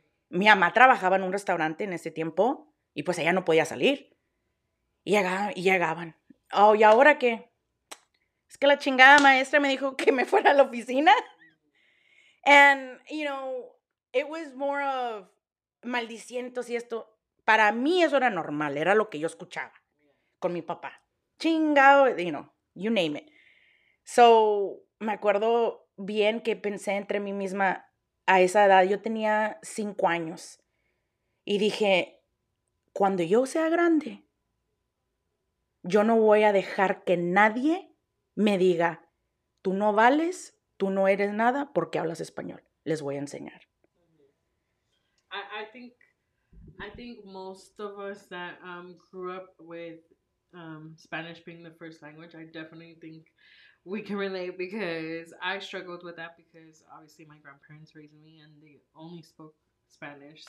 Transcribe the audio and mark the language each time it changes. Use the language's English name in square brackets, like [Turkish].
[Spanish] Mi mamá trabajaba en un restaurante en ese tiempo, y pues ella no podía salir. Y llegaban. Oh, ¿y ahora qué? Es que la chingada maestra me dijo que me fuera a la oficina. [English] And, you know, it was more of maldicientos y esto. [Spanish] Para mí eso era normal. Era lo que yo escuchaba con mi papá. Chingado, you know, you name it. So, me acuerdo bien que pensé entre mí misma a esa edad. Yo tenía 5 años. Y dije, cuando yo sea grande, yo no voy a dejar que nadie me diga, tú no vales, tú no eres nada porque hablas español. Les voy a enseñar. [English] I think most of us that grew up with Spanish being the first language, I definitely think we can relate, because I struggled with that, because obviously my grandparents raised me and they only spoke Spanish.